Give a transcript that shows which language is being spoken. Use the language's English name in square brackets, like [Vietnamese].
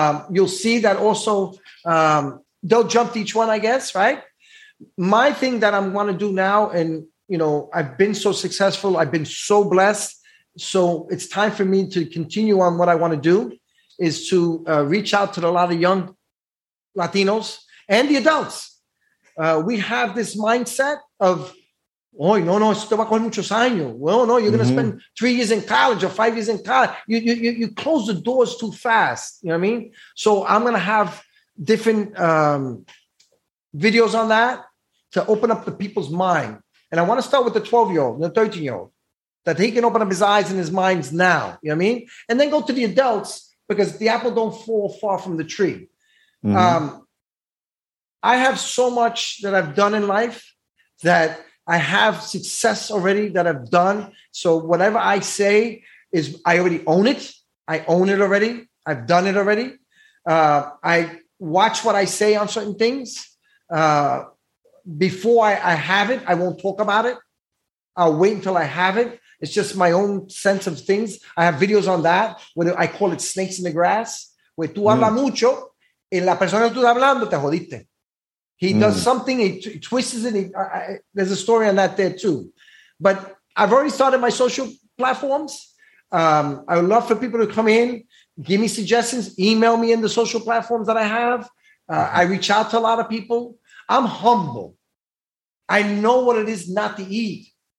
[English] You'll see that also they'll jump to each one, I guess, right? My thing that I'm going to do now, and, you know, I've been so successful. I've been so blessed. So it's time for me to continue on what I want to do, is to reach out to a lot of young Latinos and the adults. we have this mindset of, oh, no, no, [Spanish] esto va a coger muchos años. [English] Well, no, you're going to spend 3 years in college or 5 years in college. You close the doors too fast. You know what I mean? So I'm going to have different videos on that to open up the people's mind. And I want to start with the 12-year-old, the 13-year-old, that he can open up his eyes and his minds now. You know what I mean? And then go to the adults, because the apple don't fall far from the tree. Mm-hmm. I have so much that I've done in life that I have success already that I've done. So whatever I say is I already own it. I own it already. I've done it already. I watch what I say on certain things. Before I have it, I won't talk about it. I'll wait until I have it. It's just my own sense of things. I have videos on that where I call it snakes in the grass. [Spanish] Where tú hablas mucho, en la persona que tú estás hablando te jodiste. [English] He does something, he twists it. There's a story on that there too. But I've already started my social platforms. I would love for people to come in, give me suggestions, email me in the social platforms that I have. I reach out to a lot of people. I'm humble. I know what it is not to eat.